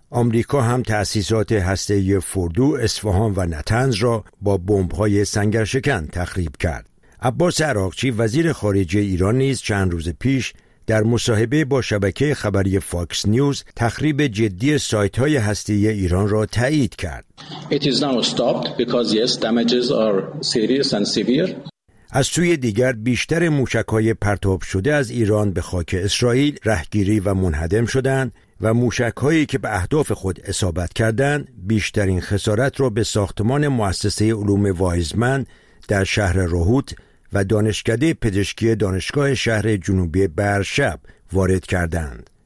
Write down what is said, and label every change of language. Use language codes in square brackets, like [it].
[fa] آمریکا هم تأسیسات هسته‌ای فردو، اصفهان و نطنز را با بمب‌های سنگرشکن تخریب کرد. عباس عراقچی وزیر خارجه ایران نیز چند روز پیش در مصاحبه با شبکه خبری فاکس نیوز تخریب جدی سایت‌های هسته‌ای ایران را تایید کرد. [en] It is now stopped because yes, damages are serious and severe. [fa] از سوی دیگر بیشتر موشک‌های پرتاب شده از ایران به خاک اسرائیل رهگیری و منهدم شدند و موشک‌هایی که به اهداف خود اصابت کردند بیشترین خسارت را به ساختمان مؤسسه علوم وایزمن در شهر روهوت و دانشکده پزشکی دانشگاه شهر جنوبی برشب وارد کردند.